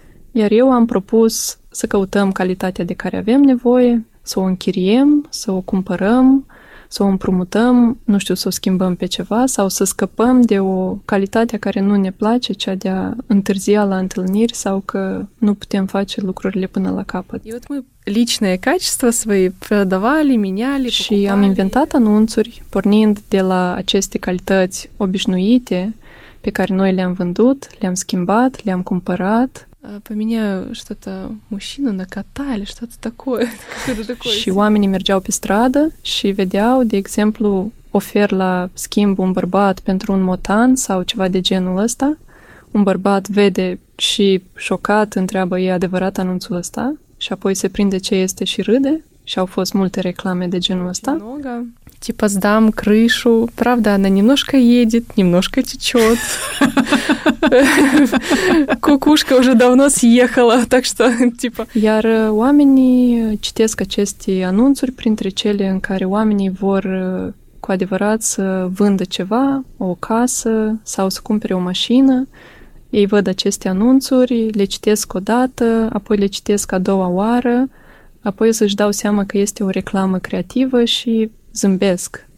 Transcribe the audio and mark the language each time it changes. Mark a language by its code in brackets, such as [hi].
[ro] Iar eu am propus să căutăm calitatea de care avem nevoie, să o închiriem, să o cumpărăm, să o împrumutăm, nu știu, să o schimbăm pe ceva sau să scăpăm de o calitate care nu ne place, cea de a întârzia la întâlniri sau că nu putem face lucrurile până la capăt. [ru] И вот мы личные качества свои продавали, меняли, [ro] și am inventat anunțuri pornind de la aceste calități obișnuite pe care noi le-am vândut, le-am schimbat, le-am cumpărat. [ru] Поменяю что-то мужчину на кота или что-то такое. [ro] Și oamenii mergeau pe stradă și vedeau, de exemplu, ofer la schimb un bărbat pentru un motan sau ceva de genul ăsta. Un bărbat vede și șocat întreabă, e adevărat anunțul ăsta? Și apoi se prinde ce este și râde. Și au fost multe reclame de genul ăsta. [ru] Типа сдам крышу. Правда, она немножко едет, немножко течет. Кукушка уже давно съехала, так что типа... [ro] Iar oamenii citesc aceste anunțuri printre cele în care oamenii vor cu adevărat să vândă ceva, o casă sau să cumpere o mașină. Ei văd aceste anunțuri, le citesc o dată, apoi le citesc a doua oară, apoi să-și dau seama că este o reclamă creativă și zâmbesc.